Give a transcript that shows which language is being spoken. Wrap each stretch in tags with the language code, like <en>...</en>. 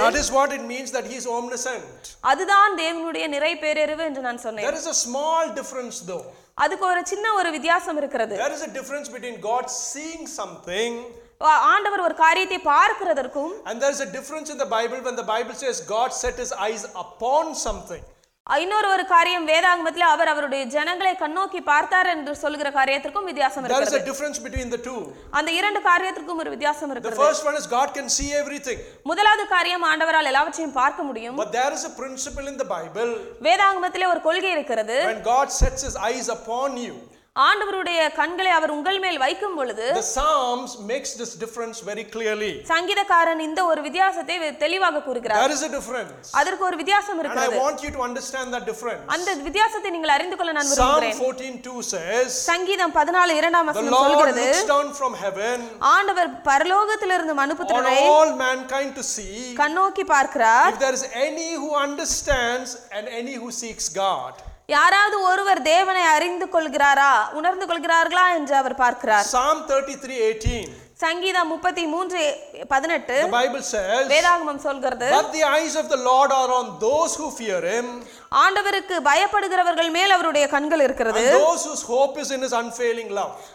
<en>That is what it means that he is omniscient.</en> <ta>அதுதான் தேவனுடைய நிறைபேறறிவு என்று நான் சொன்னேன்.</ta> <en>There is a small difference though.</en> <ta>அதுக்கு ஒரு சின்ன ஒரு வித்தியாசம் இருக்கிறது.</ta> <en>There is a difference between God seeing something.</en> <ta>ஆண்டவர் ஒரு காரியத்தை பார்க்கிறதற்கும்.</ta> <en>And there is a difference in the Bible when the Bible says God set his eyes upon something.</en> <ta>இன்னொரு ஒரு காரியம், வேதாகமத்தில் அவர் அவருடைய ஜனங்களை கண்ணோக்கி பார்த்தார் என்று சொல்கிற காரியத்திற்கும் வித்தியாசம் இருக்கிறது.</ta> <en>There is a difference between the two.</en> <ta>அந்த இரண்டு காரியத்திற்கும் ஒரு வித்தியாசம் இருக்கிறது.</ta> <en>The first one is God can see everything.</en> <ta>முதலாவது காரியம், ஆண்டவரால் எல்லாவற்றையும் பார்க்க முடியும்.</ta> <en>But there is a principle in the Bible.</en> <ta>வேதாகமத்தில் ஒரு கொள்கை இருக்கிறது.</ta> <en>When God sets his eyes upon you.</en> <ta>ஆண்டவருடைய கண்களை அவர் உங்கள் மேல் வைக்கும் பொழுது.</ta> <en>The Psalms makes this difference very clearly.</en> <ta>சங்கீதக்காரன் இந்த ஒரு வித்தியாசத்தை தெளிவாக கூறுகிறார்.</ta> <en>There is a difference.</en> <ta>அதற்கு ஒரு வித்தியாசம் இருக்கிறது.</ta> <en>And I want you to understand that difference.</en> <ta>அந்த வித்தியாசத்தை நீங்கள் அறிந்து கொள்ள நான் விரும்புகிறேன்.</ta> <en>Psalm 14:2 says.</en> <ta>சங்கீதம் 14:2 வசனம் சொல்கிறது.</ta> <en>The Lord looks down from heaven.</en> <ta>ஆண்டவர் பரலோகத்திலிருந்து மனுபுத்திரரை.</ta> <en>On all mankind to see.</en> <ta>கண்ணோக்கி பார்க்கிறார்.</ta> <en>If there is any who understands and any who seeks God.</en> <ta>யாராவது ஒருவர் தேவனை அறிந்து கொள்கிறாரா, உணர்ந்து கொள்கிறார்களா என்று அவர் பார்க்கிறார்.</ta> <en>Psalm 33:18.</en> <ta>சங்கீதம் 33:18.</ta> <en>The Bible says.</en> <ta>வேதாகமம் சொல்கிறது.</ta> <en>But the eyes of the Lord are on those who fear him.</en> <ta>ஆண்டவருக்கு பயப்படுகிறவர்கள் மேல் அவருடைய கண்கள் இருக்கிறது.</ta> <en>And those whose hope is in his unfailing love.</en>